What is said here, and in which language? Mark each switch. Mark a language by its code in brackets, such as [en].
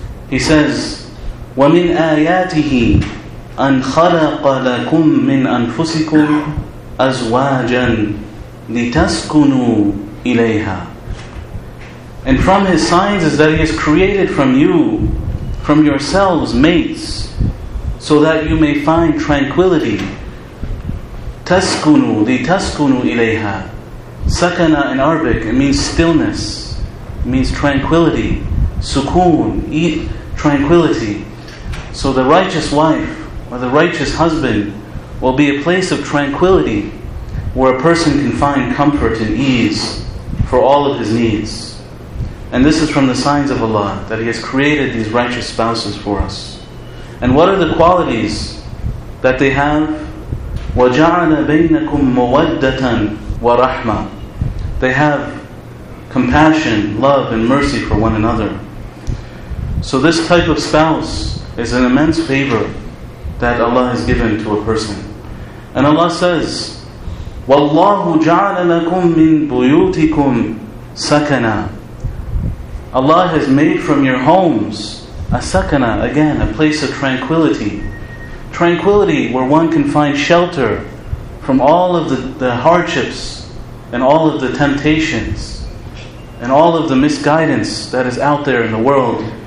[en] He says, [ar] وَمِنْ آيَاتِهِ أَنْ خَلَقَ لَكُمْ مِنْ أَنْفُسِكُمْ أَزْوَاجًا لِتَسْكُنُوا إِلَيْهَا. [en] And from His signs is that He has created from you, from yourselves, mates, so that you may find tranquility. [ar] تَسْكُنُوا لِتَسْكُنُوا إِلَيْهَا. [en] Sakana in Arabic, it means stillness. It means tranquility. Sukoon, tranquility. So the righteous wife or the righteous husband will be a place of tranquility where a person can find comfort and ease for all of his needs. And this is from the signs of Allah that He has created these righteous spouses for us. And what are the qualities that they have? [ar] وَجَعَلَ بَيْنَكُمْ مَوَدَّةً وَرَحْمَةً. [en] They have compassion, love, and mercy for one another. So this type of spouse is an immense favor that Allah has given to a person. And Allah says, [ar] وَاللَّهُ جَعَلَ لَكُم مِّن بُيُوتِكُمْ سَكَنَا. [en] Allah has made from your homes a sakana, again, a place of tranquility. Tranquility where one can find shelter from all of the hardships and all of the temptations and all of the misguidance that is out there in the world.